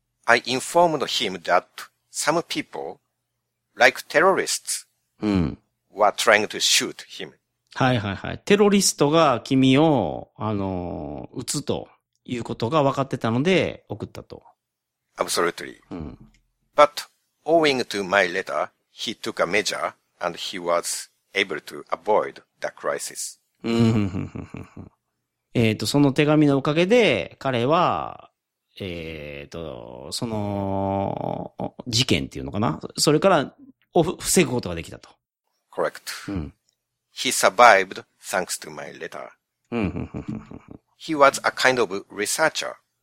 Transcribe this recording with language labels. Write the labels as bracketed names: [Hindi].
[English] I informed him that some people, like terrorists,、 mm. were trying to shoot him. [Japanese] はいはいはい。テロリストが君を、撃つということが分かってたので送ったと。 [English] Absolutely.、 [Japanese] うん、 [English] But owing to my letter, he took a measure and he was able to avoid the crisis. [Japanese] その手紙のおかげで彼は、その事件っていうのかな、それからを防ぐことができたと。 [English] Correct.、 [Japanese] うん、 [English] he survived thanks to my letter. he was a kind of researcher.